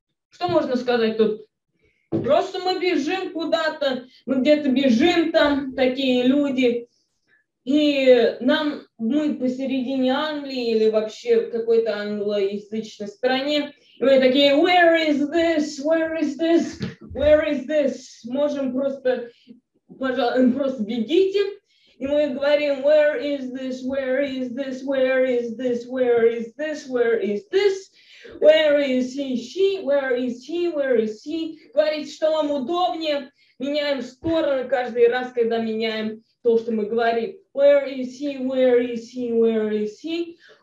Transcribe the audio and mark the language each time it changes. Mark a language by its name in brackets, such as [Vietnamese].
[Russian] Что можно сказать тут? Просто мы бежим куда-то, мы где-то бежим там, такие люди. И нам, мы посередине Англии или вообще в какой-то англоязычной стране, мы такие, [English] where is this, where is this, [Russian] where is this? Можем просто, пожалуйста, просто бегите. И мы говорим, [English] where is this, where is this, where is this, where is this, where is this? Where is he, she, where is he, where is he? [Russian] Говорить, что вам удобнее. Меняем стороны каждый раз, когда меняем то, что мы говорим. [English] Where is he, where is he, where is he?